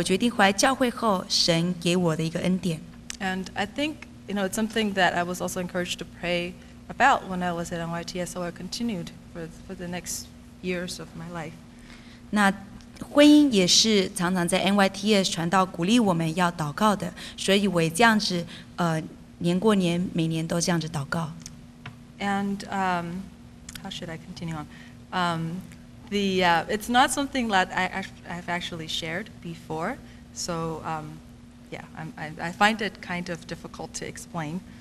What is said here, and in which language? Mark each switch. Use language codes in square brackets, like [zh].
[zh] 那我今天要来见证是我如何在教会结婚，那我觉得这也是神给我一个很大的恩典，就在我决定回来教会后，神给我的一个恩典。 [en] And I think, you know, it's something that I was also encouraged to pray about when I was at NYTS, so I continued for the next years of my life. [zh] 那婚姻也是常常在NYTS传道鼓励我们要祷告的，所以我也这样子，年过年每年都这样子祷告。 [en] And how should I continue on? It's not something that I've actually shared before, so I find it kind of difficult to explain.